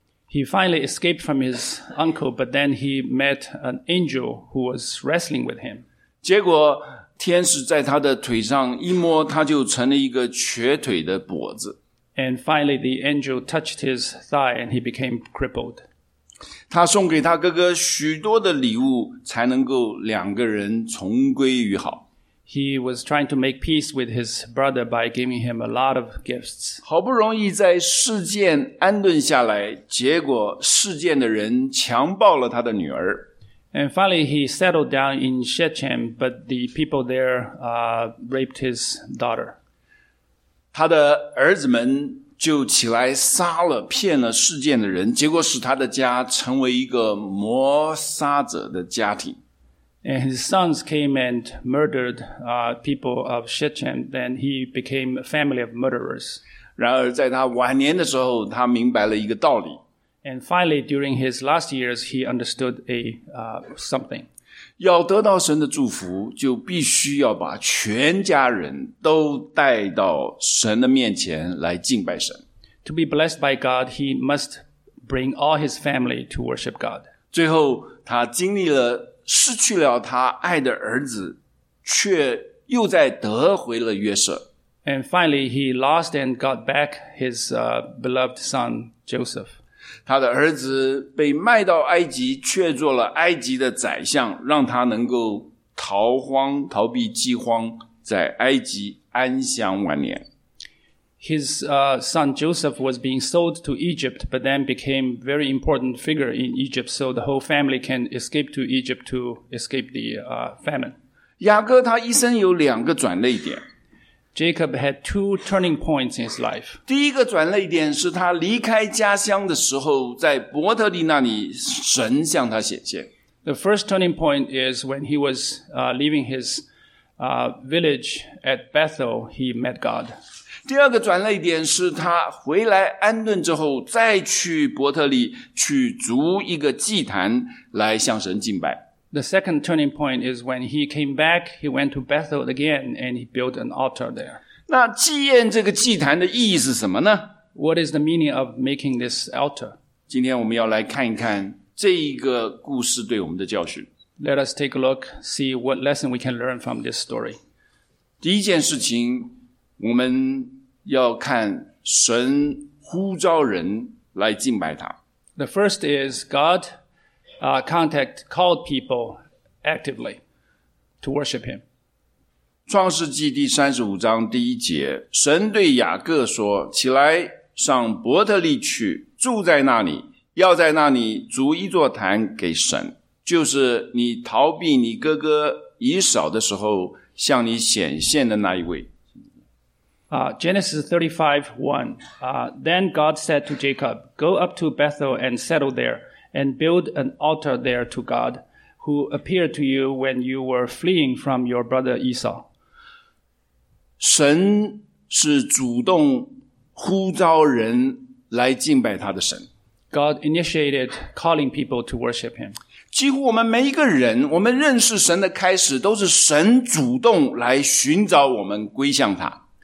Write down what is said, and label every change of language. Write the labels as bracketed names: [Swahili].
[English] He finally escaped from his uncle, but then he met an angel who was wrestling with him. [Chinese] 结果天使在他的腿上一摸，他就成了一个瘸腿的跛子。 [English] And finally, the angel touched his thigh, and he became crippled. [Chinese] 他送给他哥哥许多的礼物，才能够两个人重归于好。 [English] He was trying to make peace with his brother by giving him a lot of gifts. [Chinese] 好不容易在事件安顿下来，结果事件的人强暴了他的女儿。 [English] And finally, he settled down in Shechem, but the people there raped his daughter. [Chinese] 他的儿子们就起来杀了、骗了事件的人，结果使他的家成为一个谋杀者的家庭。 [English] And his sons came and murdered people of Shechem, then he became a family of murderers. [Chinese] 然而在他晚年的时候，他明白了一个道理。 [English] And finally, during his last years, he understood something. [Chinese] 要得到神的祝福，就必须要把全家人都带到神的面前来敬拜神。 [English] To be blessed by God, he must bring all his family to worship God. [Chinese] 最后他经历了失去了他爱的儿子，却又再得回了约瑟。 [English] And finally, he lost and got back his beloved son, Joseph. [Chinese] 他的儿子被卖到埃及，却做了埃及的宰相，让他能够逃荒，逃避饥荒，在埃及安享晚年。 [English] His son Joseph was being sold to Egypt, but then became a very important figure in Egypt, so the whole family can escape to Egypt to escape the famine. [Chinese] 雅各他一生有两个转捩点。 [English] Jacob had two turning points in his life. [Chinese] 第一个转捩点是他离开家乡的时候，在伯特利那里神向他显现。 [English] The first turning point is when he was leaving his village at Bethel, he met God. [Chinese] 第二个转捩点是他回来安顿之后再去伯特利去筑一个祭坛来向神敬拜。 [English] The second turning point is when he came back, he went to Bethel again and he built an altar there. [Chinese] 那祭宴这个祭坛的意义是什么呢？ [English] What is the meaning of making this altar? [Chinese] 今天我们要来看一看这一个故事对我们的教训。 [English] Let us take a look, see what lesson we can learn from this story. [Chinese] 第一件事情，我们要看神呼召人来敬拜他。 [English] The first is God called people actively to worship him. [Chinese] 创世纪第35章第一节，神对雅各说，起来上伯特利去，住在那里，要在那里筑一座坛给神，就是你逃避你哥哥以扫的时候向你显现的那一位。 [English] Genesis 35:1. Then God said to Jacob, go up to Bethel and settle there, and build an altar there to God, who appeared to you when you were fleeing from your brother Esau. [Chinese] 神是主动呼召人来敬拜他的神。 [English] God initiated calling people to worship him. [Chinese] 几乎我们每一个人，我们认识神的开始，都是神主动来寻找我们归向他。